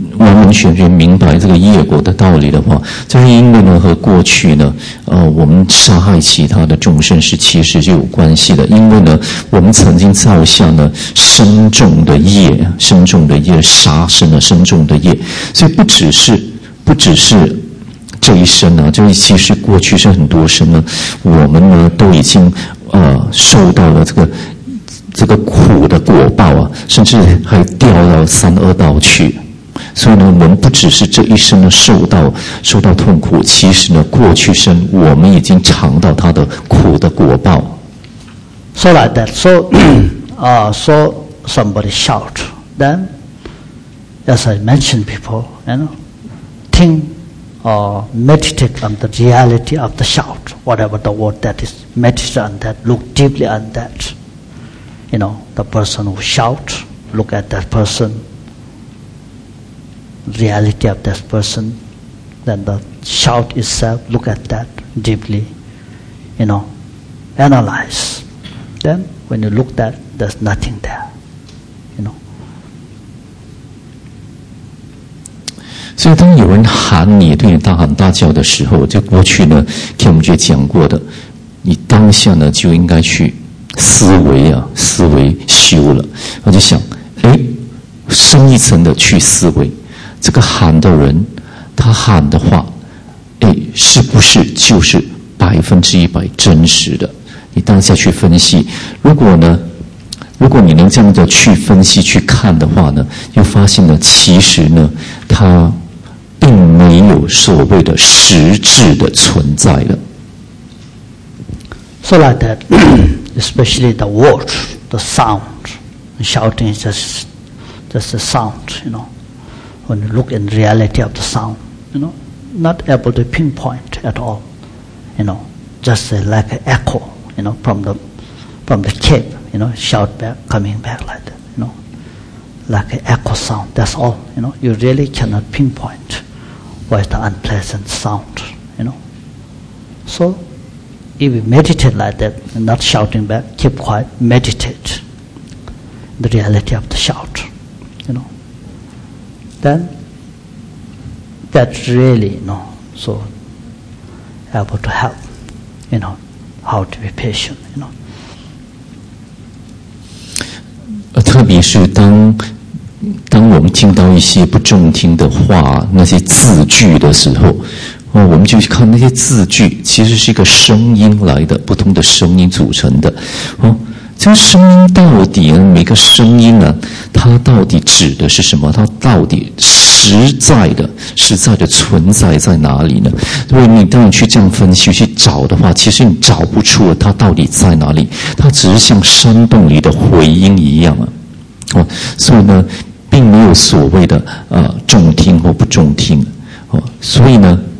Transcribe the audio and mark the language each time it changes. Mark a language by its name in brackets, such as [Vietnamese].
[Chinese] 完完全全明白这个业果的道理的话，就是因为呢和过去呢我们杀害其他的众生是其实就有关系的，因为呢我们曾经造下呢深重的业，深重的业杀生了深重的业，所以不只是这一生呢，就是其实过去是很多生呢，我们呢都已经受到了这个苦的果报啊，甚至还掉到三恶道去。所以呢，我们不只是这一生呢受到痛苦，其实呢，过去生我们已经尝到他的苦的果报。 [English] So like that, so, so somebody shout, then, as I mentioned before, you know, think. Meditate on the reality of the shout, whatever the word that is, meditate on that, look deeply on that. You know, the person who shout, look at that person, reality of that person, then the shout itself, look at that deeply, you know, analyze. Then when you look that, there's nothing there. [Chinese] 所以当有人喊你对你大喊大叫的时候，就过去呢给我们就讲过的，你当下呢就应该去思维修了，我就想哎，深一层的去思维这个喊的人他喊的话哎，是不是就是100%真实的，你当下去分析，如果你能这样的去分析去看的话呢，又发现呢其实呢他并没有所谓的实质的存在的。 [English] So like that, especially the word, the sound, shouting is just a sound, you know. When you look in reality of the sound, you know, not able to pinpoint at all, you know, just like an echo, you know, from the cave, you know, shout back, coming back like that, you know, like an echo sound, that's all, you know, you really cannot pinpoint. What is the unpleasant sound, you know? So, if you meditate like that, not shouting back, keep quiet, meditate the reality of the shout, you know? Then, that really, you know, so, able to help, you know, how to be patient, you know? [Chinese] 特别是当我们听到一些不中听的话，那些字句的时候，我们就看那些字句其实是一个声音来的，不同的声音组成的，这个声音到底每个声音呢，它到底指的是什么，它到底实在的存在在哪里呢，所以你当你去这样分析去找的话，其实你找不出它到底在哪里，它只是像山洞里的回音一样啊，所以呢并没有所谓的重听或不重听，所以呢